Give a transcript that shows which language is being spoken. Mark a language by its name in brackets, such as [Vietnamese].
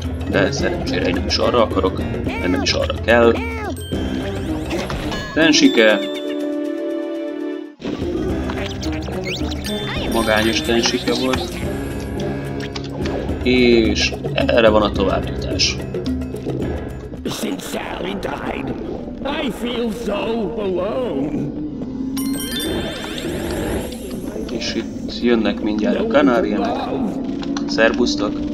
[Hungarian] De szerencsére én nem is arra akarok, én nem is arra kell. Tensike! Magányos Tensike volt. És erre van a továbbjutás. [English] Since Sally died, I feel so alone. [Hungarian] És itt jönnek mindjárt a kanárienek. Szerbusztok!